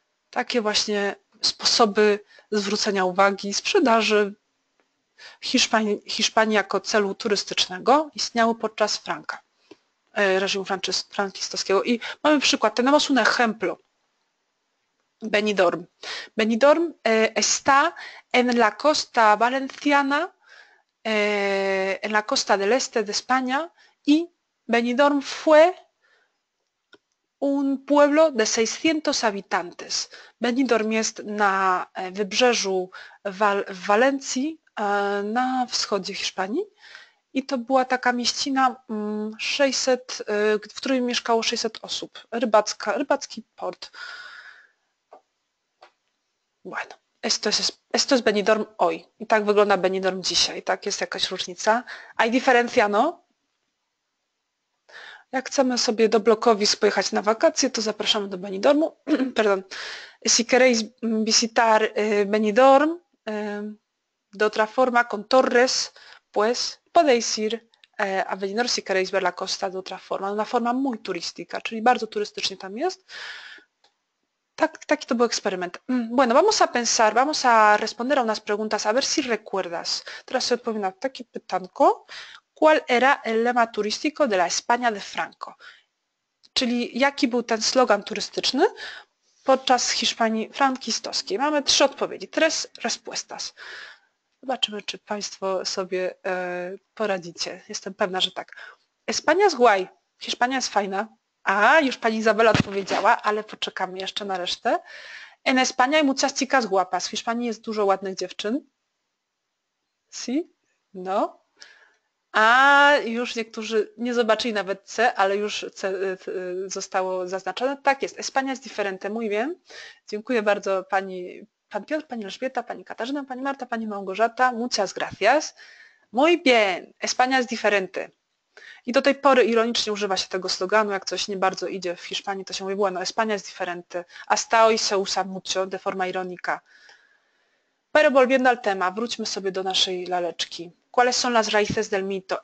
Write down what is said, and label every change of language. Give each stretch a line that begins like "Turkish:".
Polish: Takie właśnie sposoby zwrócenia uwagi, sprzedaży Hiszpanii jako celu turystycznego istniały podczas Franka, reżimu frankistowskiego. I mamy przykład,
Spanish: tenemos un ejemplo.
Polish: Benidorm.
Spanish: Benidorm está en la costa valenciana, en la costa del este de España, y Benidorm fue un pueblo de 600 habitantes.
Polish: Benidorm jest na wybrzeżu Walencji, na wschodzie Hiszpanii, i to była taka mieścina, 600, w której mieszkało 600 osób. Rybacki port.
Spanish: Bueno, esto es Benidorm hoy.
Polish: I tak wygląda Benidorm dzisiaj, tak? Jest jakaś różnica.
Spanish: Hay diferencia, no?
Polish: Jak chcemy sobie do blokowisk pojechać na wakacje, to zapraszamy do Benidormu.
Spanish: Perdón. Si queréis visitar Benidorm de otra forma, con torres, pues podéis ir a Benidorm si queréis ver la costa de otra forma. Una forma muy turística,
Polish: czyli bardzo turystycznie tam jest. Tak, taki to był eksperyment.
Spanish: Bueno, vamos a pensar, vamos a responder a unas preguntas, a ver si recuerdas.
Polish: Teraz odpowiem na takie pytanko.
Spanish: ¿Cuál era el lema turístico de la España de Franco?
Polish: Czyli jaki był ten slogan turystyczny podczas Hiszpanii frankistowskiej? Mamy trzy odpowiedzi.
Spanish: Tres respuestas.
Polish: Zobaczymy, czy Państwo sobie poradzicie. Jestem pewna, że tak.
Spanish: España es guay.
Polish: Hiszpania jest fajna. A, już Pani Izabela odpowiedziała, ale poczekamy jeszcze na resztę.
Spanish: En España hay muchas chicas guapas.
Polish: W Hiszpanii jest dużo ładnych dziewczyn.
Spanish: Si? No.
Polish: A już niektórzy nie zobaczyli nawet C, ale już C zostało zaznaczone. Tak jest,
Spanish: España es diferente, muy bien.
Polish: Dziękuję bardzo pan Piotr, pani Elżbieta, pani Katarzyna, pani Marta, pani Małgorzata.
Spanish: Muchas gracias. Muy bien, España es diferente.
Polish: I do tej pory ironicznie używa się tego sloganu, jak coś nie bardzo idzie w Hiszpanii, to się mówi,
Spanish: bueno, España es diferente. Hasta hoy se usa mucho, de forma irónica. Pero volviendo al tema,
Polish: wróćmy sobie do naszej laleczki.
Spanish: ¿Cuáles son las raíces del mito?